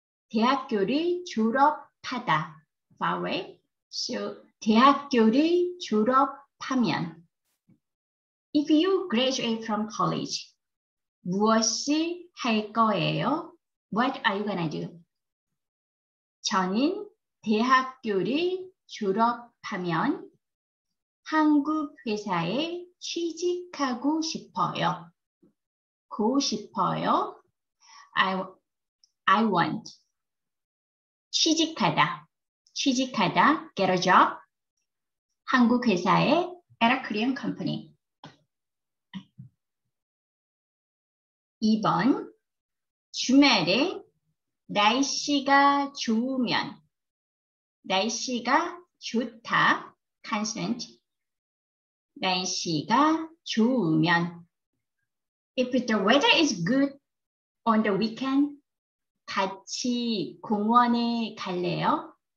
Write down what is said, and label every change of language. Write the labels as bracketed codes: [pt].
[ko] 대학교를 졸업하다. [en] Vowel. [ko] So, 대학교를 졸업하면, [en] if you graduate from college, [ko] 무엇을 할 거예요? [en] What are you gonna do? [ko] 저는 대학교를 졸업하면 한국 회사에 취직하고 싶어요. 고 싶어요. [en] I want. [ko] 취직하다. [en] 취직하다. Get a job. [ko] 한국 회사에 [en] at a Korean company. [ko] 2번 주말에 날씨가 좋으면 날씨가 좋다 consonant 날씨가 좋으면 [en] if the weather is good on the weekend [ko] 같이 공원에 갈래요?